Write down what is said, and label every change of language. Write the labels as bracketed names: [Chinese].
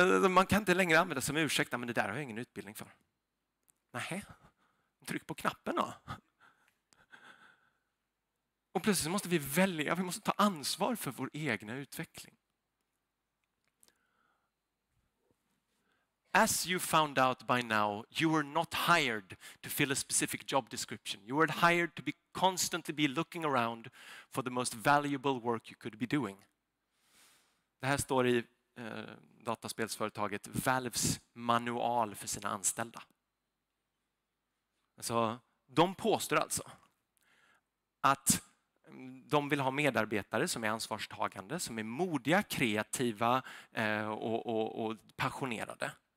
[Swedish] Man kan inte längre använda som ursäkt, men det där har jag ingen utbildning för. Nähä, tryck på knappen då. Och plötsligt måste vi välja, vi måste ta ansvar för vår egna utveckling. [English] As you found out by now, you were not hired to fill a specific job description. You were hired to be constantly be looking around for the most valuable work you could be doing. [Swedish] Det här står i dataspelsföretaget Valve's manual för sina anställda. Alltså, de påstår alltså att de vill ha medarbetare som är ansvarstagande, som är modiga, kreativa och passionerade.